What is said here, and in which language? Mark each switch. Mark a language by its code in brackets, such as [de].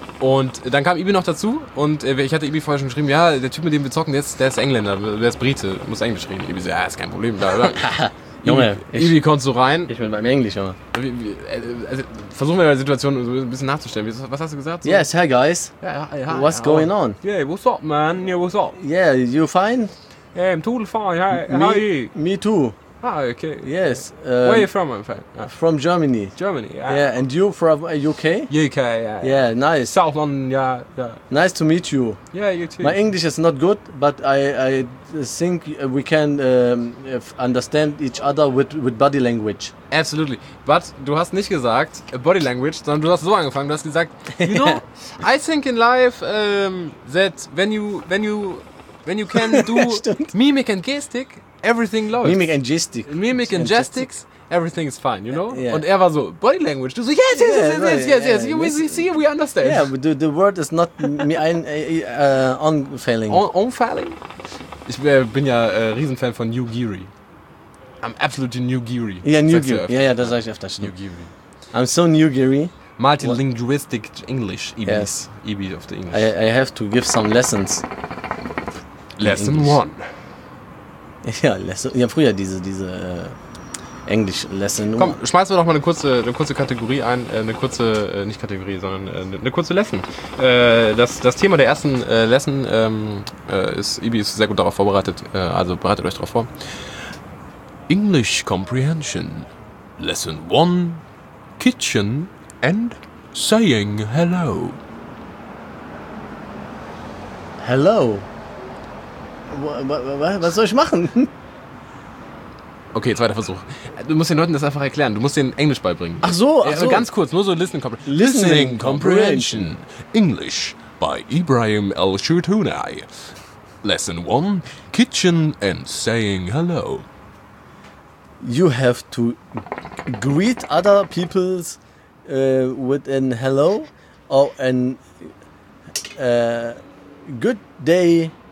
[de] Und dann kam Ibi noch dazu und ich hatte Ibi vorher schon geschrieben, ja, der Typ, mit dem wir zocken, der ist Engländer, der ist Brite, muss Englisch reden. Ibi so, ja, ist kein Problem. Junge, Ibi kommt so rein. Ich bin beim Englisch, Junge. Also, versuchen wir mal die Situation so ein bisschen nachzustellen. Was hast du gesagt? So? [en] Yes, hey guys. Yeah, hi, what's going on? Yeah, what's up, man? Yeah, what's up? Yeah, you fine? Yeah, I'm totally fine. Hey, how are you? Me too. Ah, okay. Yes. Where are you from, my friend? From Germany. Germany, yeah. Yeah, and you from UK? UK, yeah. Yeah, nice. South London, yeah, yeah. Nice to meet you. Yeah, you too. My English is not good, but I think we can understand each other with body language. Absolutely. But [de] du hast nicht gesagt [en] body language, [de] sondern du hast so angefangen, du hast gesagt, [en] you know, I think in life that when you can do mimic and gestik, everything läuft. Mimic and gestik. Mimic and gestics, everything is fine, you know? [de] Yeah. Und er war so, body language. Du so, yes. [en] We see, we understand. Yeah, but the word is not unfailing. Unfailing? [de] Ich bin ja Riesenfan von New Geary. [en] I'm absolutely New Geary. Yeah, New Geary. [de] Ja, das sag ich öfter schon. [en] New Geary. I'm so New Geary. Multilinguistic English, EB. Yes. EB of the English. I have to give some lessons. Lesson one. [de] Ja, Lesson, ja, früher diese Englisch-Lesson. Komm, schmeißen wir doch mal eine kurze Kategorie ein, eine kurze, nicht Kategorie, sondern eine kurze Lesson. Das Thema der ersten Lesson ist, Ibi ist sehr gut darauf vorbereitet, also bereitet euch darauf vor. [en] English Comprehension, Lesson 1, Kitchen and Saying Hello. [de] Hello. Was soll ich machen? Okay, zweiter Versuch. Du musst den Leuten das einfach erklären. Du musst denen Englisch beibringen. Ach so. Also ganz kurz, nur so Listening [en] Comprehension. Listening Comprehension. English by Ibrahim El-Shirtunai. Lesson 1. Kitchen and saying hello. You have to greet other people with an hello or an good day.